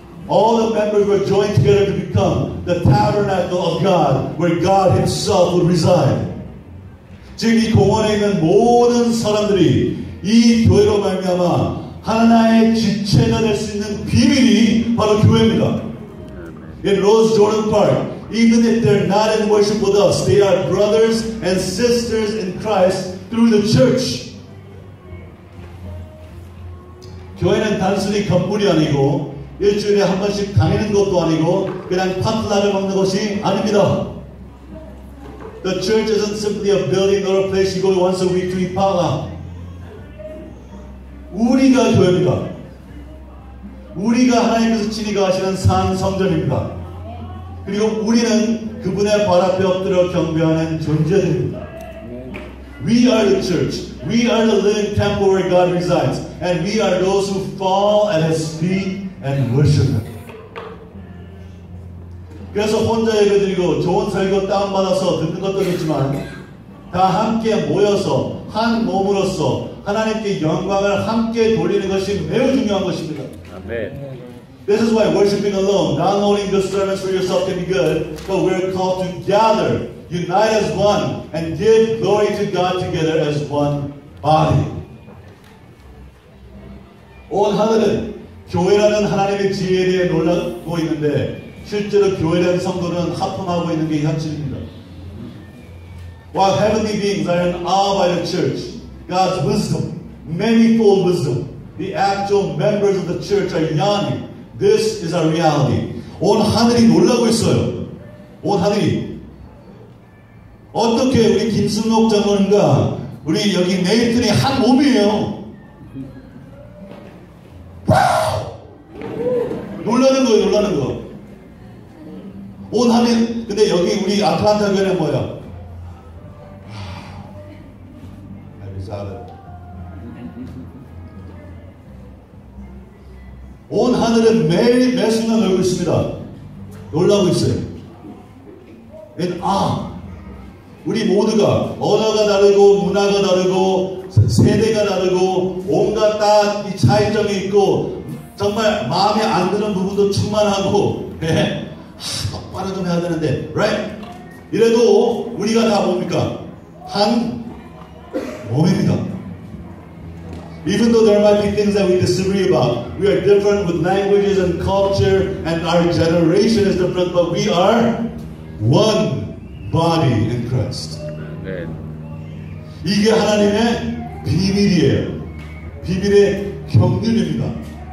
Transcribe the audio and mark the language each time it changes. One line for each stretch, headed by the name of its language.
English: All the members were joined together to become the tabernacle of God, where God himself would reside.
Korean: 지금 이 공원에 있는 모든 사람들이 이 교회로 말미암아 하나의 지체가 될 수 있는 비밀이 바로 교회입니다.
English: In Rhodes Jordan Park, even if they're not in worship with us, they are brothers and sisters in Christ through the church.
Korean: 교회는 단순히 건물이 아니고 일주일에 한 번씩 다니는 것도 아니고 그냥 파트너를 먹는 것이 아닙니다.
English: The church isn't simply a building or a place you go once a week to eat potluck.
Korean: 우리가 교회입니다. 우리가 하나님께서 친히 가시는 산 성전입니다. 그리고 우리는 그분의 발 앞에 엎드려 경배하는 존재들입니다.
English: We are the church. We are the living temple where God resides. And we are those who fall at his feet and worship him.
Korean: 그래서 혼자 예배드리고 좋은 설교 다운받아서 듣는 것도 좋지만 다 함께 모여서 한 몸으로서 하나님께 영광을 함께 돌리는 것이 매우 중요한 것입니다.
English: Amen. This is why worshiping alone, not only good sermons for yourself can be good, but we're called to gather, unite as one, and give glory to God together as one body.
Korean: 온 하늘은 교회라는 하나님의 지혜에 대해 놀라고 있는데 실제로 교회라는 성도는 하품하고 있는 게 현실입니다.
English: While heavenly beings are in awe by the church, God's wisdom, manifold wisdom, the actual members of the church are yawning. This is our reality.
Korean: 온 하늘이 놀라고 있어요. 온 하늘이. 어떻게 우리 김승록 장로님과 우리 여기 네이튼이 한 몸이에요. 놀라는 거예요, 놀라는 거. 온 하늘, 근데 여기 우리 아틀란타 교회는 뭐야? 온 하늘은 매 순간 놀고 있습니다. 놀라고 있어요. And ah, 우리 모두가 언어가 다르고 문화가 다르고 세대가 다르고 온갖 다 이 차이점이 있고 정말 마음에 안 드는 부분도 충만하고 네? 똑바로 좀 해야 되는데
English: right?
Korean: 이래도 우리가 다 뭡니까? 한 몸입니다.
English: Even though there might be things that we disagree about, we are different with languages and culture, and our generation is different, but we are one body in Christ. Amen.
Korean: 이게 하나님의 비밀이에요. 비밀의 경륜입니다.